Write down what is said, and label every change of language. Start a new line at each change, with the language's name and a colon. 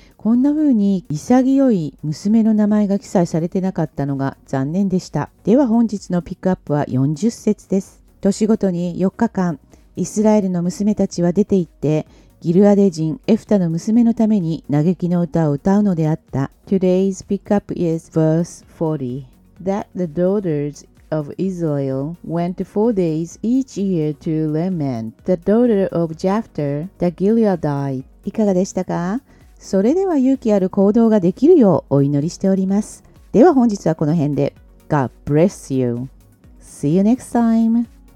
Japanese: こんな風に潔い娘の名前が記載されてなかったのが残念でした。では本日のピックアップは40節です。年ごとに4日間イスラエルの娘たちは出て行って、ギルアデ人エフタの娘のために嘆きの歌を歌うのであった。
English: Today's pickup is verse 40. That the daughters of Israel went 4 days each year to lament. The daughter of Japheth, the Gileadite. いかがでしたか？
Japanese: それでは勇気ある行動ができるようお祈りしております。では本日はこの辺で。 God bless you. See you next time.